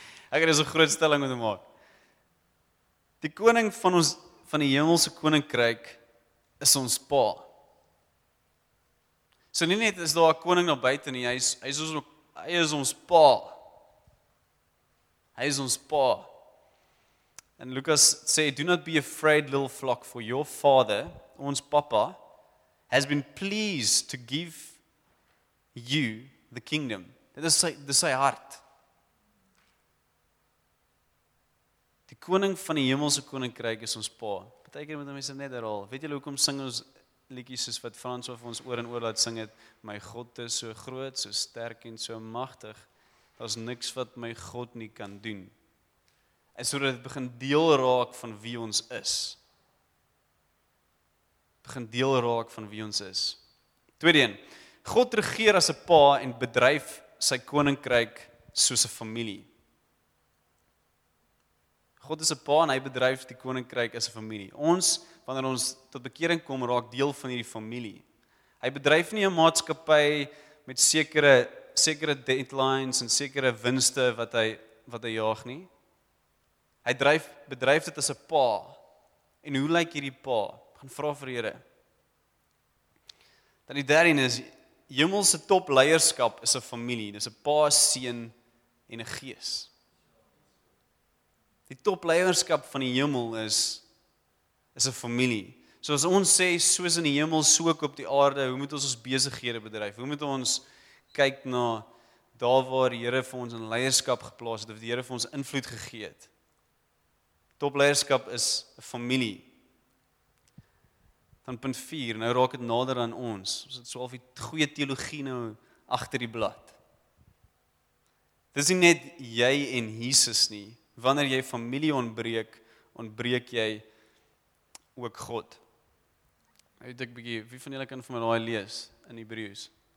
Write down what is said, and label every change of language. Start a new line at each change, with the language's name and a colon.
Afrikaans: Ek het 'n groot stelling om te maak. Die koning van ons van die hemelse koninkryk is ons pa. So nie net is daar 'n koning daar buite nie, hy is ons pa. Hy is ons pa. En Lukas sê,
English: "Do not be afraid, little flock, for your father,"
Afrikaans: ons papa,
English: "has been pleased to give you the kingdom."
Afrikaans: Dit is sy hart. Die koning van die hemelse koninkryk is ons pa. Partykeer moet mense net herhaal. Weet julle hoekom sing ons liedjies soos wat Frans of ons oor en oor laat sing het? My God is so groot, so sterk en so magtig. Daar's niks wat my God nie kan doen. En sodat dit begin deel raak van wie ons is. Begin deel raak van wie ons is. Tweede een. God regeer as 'n pa en bedryf sy koninkryk soos 'n familie. God is 'n pa en hy bedryf die koninkryk as 'n familie. Ons, wanneer ons tot bekering kom, raak deel van hierdie familie. Hy bedryf nie 'n maatskappy met sekere deadlines en sekere winste wat hy jaag nie. Hy bedryf dit as 'n pa. En hoe lyk hierdie pa? Gaan vra vir die Here. Dan die derde is, hemelse top leierskap is 'n familie. Dis 'n pa, seun en 'n gees. Die top leierskap van die hemel is 'n familie. So as ons sê, soos in die hemel, so ook op die aarde, hoe moet ons ons besighede bedryf? Hoe moet ons kyk na daar waar die Here vir ons in leierskap geplaas het, of die Here vir ons invloed gegee het? Top leierskap is 'n familie. Dan punt 4, nou raak het nader aan ons. Ons het so al die goeie theologie nou achter die blad. Dis nie net jy en Jesus nie. Wanneer jy familie ontbreek, ontbreek jy ook God. Nou het ek bietjie, wie van julle kan vir my daai lees in Hebreëus?